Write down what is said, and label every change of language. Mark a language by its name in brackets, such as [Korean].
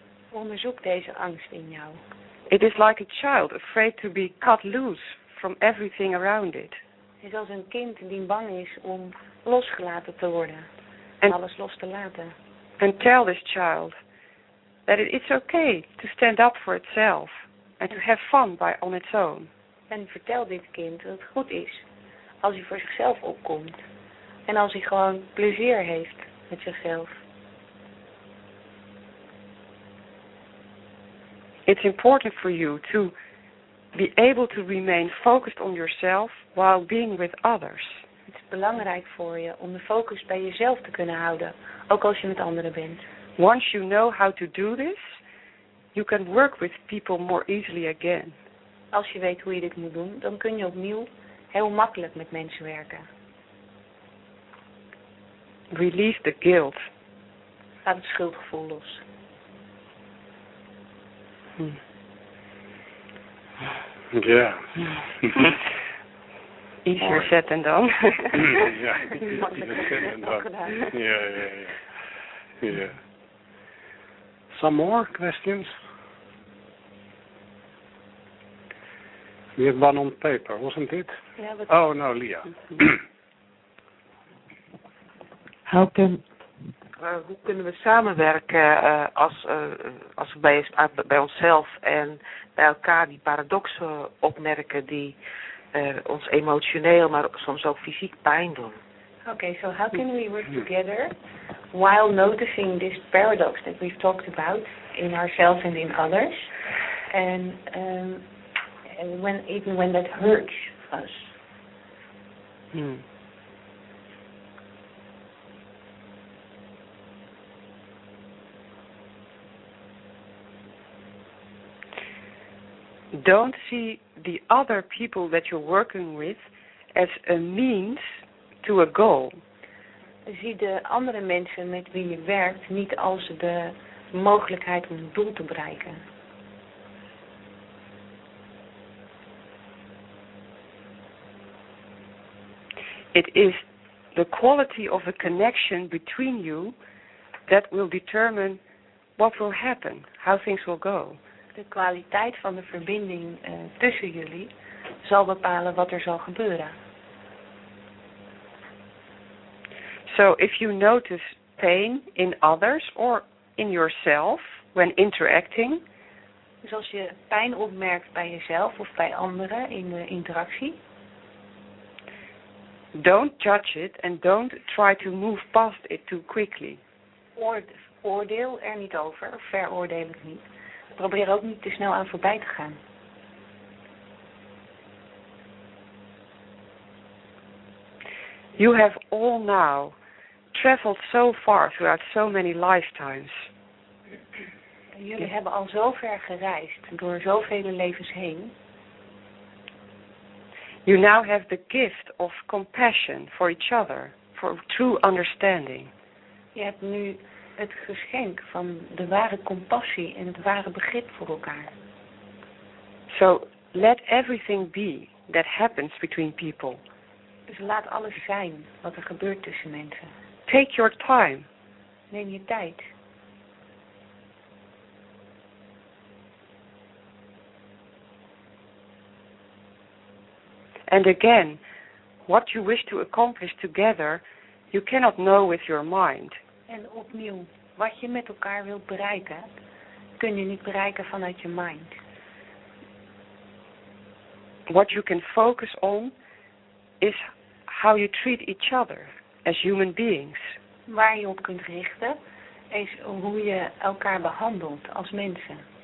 [Dutch] Onderzoek deze angst in jou. [English] It is like a child afraid to be cut loose from everything around it. [Dutch] Het is als een kind die bang is om losgelaten te worden. En alles los te laten. [English] And tell this child that it's okay to stand up for itself and to have fun by on its own. [Dutch] En vertel dit kind dat het goed is als hij voor zichzelf opkomt. En als hij gewoon plezier heeft met zichzelf. [English] It's important for you to be able to remain focused on yourself while being with others. [Dutch] Het is belangrijk voor je om de focus bij jezelf te kunnen houden, ook als je met anderen bent. [English] Once you know how to do this, you can work with people more easily again. [Dutch] Als je weet hoe je dit moet doen, dan kun je opnieuw heel makkelijk met mensen werken. [English] Release the guilt. [Dutch] Laat het schuldgevoel los. Ja. [English] Easier said than done. Ja, easier said than done. Ja, ja, ja. Some more questions? We have one on paper, wasn't it? Yeah, oh, no, Leah. [Dutch] Hoe kunnen we samenwerken als we bij onszelf en bij elkaar die paradoxen opmerken die ons emotioneel, maar soms ook fysiek pijn doen? [English] Okay, so how can we work together while noticing this paradox that we've talked about in ourselves and in others? And when that hurts us? Don't see the other people that you're working with as a means to a goal. [Dutch] Zie de andere mensen met wie je werkt niet als de mogelijkheid om een doel te bereiken. [English] It is the quality of a connection between you that will determine what will happen, how things will go. [Dutch] De kwaliteit van de verbinding tussen jullie zal bepalen wat er zal gebeuren. [English] So if you notice pain in others or in yourself when interacting. [Dutch] Dus als je pijn opmerkt bij jezelf of bij anderen in de interactie. [English] Don't judge it and don't try to move past it too quickly. [Dutch] Oordeel er niet over, veroordeel het niet. Probeer ook niet te snel aan voorbij te gaan. [English] You have all now traveled so far throughout so many lifetimes. [Dutch] Jullie hebben al zo ver gereisd door zoveel levens heen. [English] You now have the gift of compassion for each other, for true understanding. [Dutch] Je hebt nu het geschenk van de ware compassie en het ware begrip voor elkaar. [English] So let everything be that happens between people. [Dutch] Dus laat alles zijn wat er gebeurt tussen mensen. [English] Take your time. [Dutch] Neem je tijd. [English] And again, what you wish to accomplish together, you cannot know with your mind. [Dutch] En opnieuw, wat je met elkaar wilt bereiken, kun je niet bereiken vanuit je mind. [English] What you can focus on is how you treat each other as human beings. [Dutch] Waar je op kunt richten is hoe je elkaar behandelt als mensen.